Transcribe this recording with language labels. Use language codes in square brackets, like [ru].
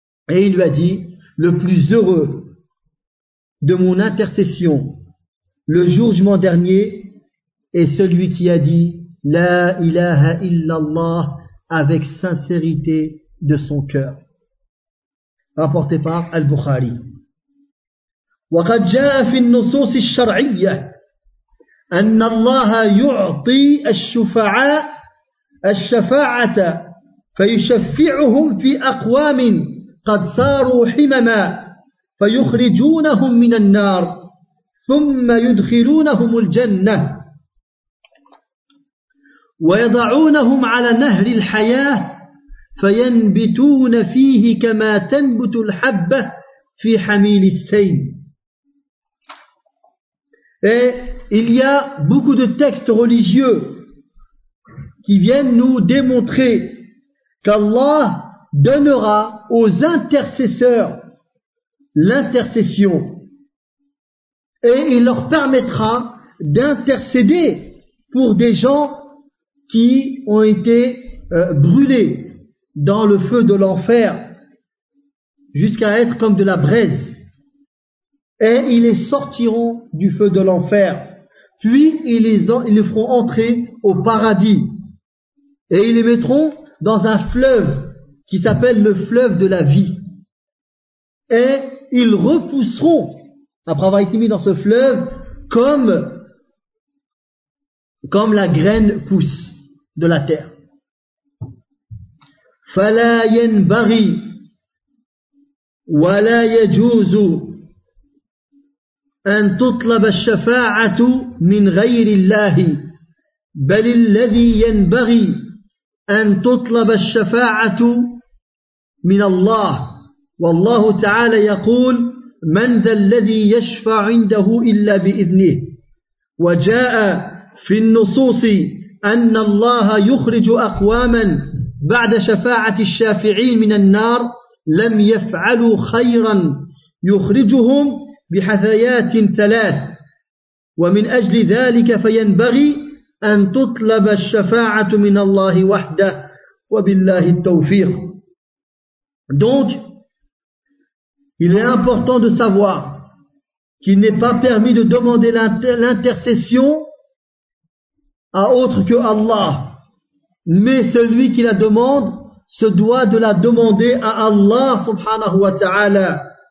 [fr] Et il lui a dit, le plus heureux de mon intercession le jour du mois dernier est celui qui a dit la ilaha illallah avec sincérité de son cœur. Rapporté par Al-Bukhari. [ar] وقد جاء في النصوص الشرعية أن الله يعطي الشفعاء الشفاعة فيشفعهم في أقوام قد صاروا حمما فيخرجونهم من النار ثم يدخلونهم الجنة ويضعونهم على نهر الحياة فينبتون فيه كما تنبت الحبة في حميل السيل. [fr] Et il y a beaucoup de textes religieux qui viennent nous démontrer qu'Allah donnera aux intercesseurs l'intercession et il leur permettra d'intercéder pour des gens qui ont été brûlés dans le feu de l'enfer jusqu'à être comme de la braise. Et ils les sortiront du feu de l'enfer. Puis ils les feront entrer au paradis. Et ils les mettront dans un fleuve qui s'appelle le fleuve de la vie. Et ils repousseront, après avoir été mis dans ce fleuve, comme la graine pousse de la terre. [ar] فَلَا يَنْبَغِي وَلَا يَجُوزُ أن تطلب الشفاعة من غير الله بل الذي ينبغي أن تطلب الشفاعة من الله والله تعالى يقول من ذا الذي يشفع عنده إلا بإذنه وجاء في النصوص أن الله يخرج أقواما بعد شفاعة الشافعين من النار لم يفعلوا خيرا يخرجهم بحثيات ثلاث ومن أجل ذلك فينبغي أن تطلب الشفاعة من الله وحده وبالله التوفيق. [fr] Donc, il est important de savoir qu'il n'est pas permis de demander l'intercession à autre que Allah, mais celui qui la demande se doit de la demander à Allah subhanahu wa ta'ala.